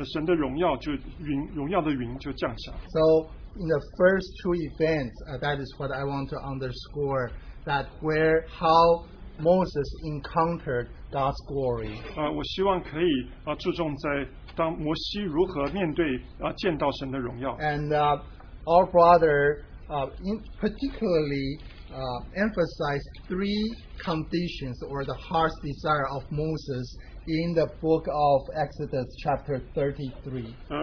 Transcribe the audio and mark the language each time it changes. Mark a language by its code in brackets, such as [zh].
[zh] 在列王记上的第八章，那里当神的荣耀降下，是当所罗门他结束建殿的时候，神的荣耀就云荣耀的云就降下。 [en] So in the first two events, that is what I want to underscore, that where how Moses encountered God's glory. [zh] 我希望可以注重在 当摩西如何面对见到神的荣耀。 [en] And our brother particularly emphasized three conditions or the heart's desire of Moses in the book of Exodus chapter 33.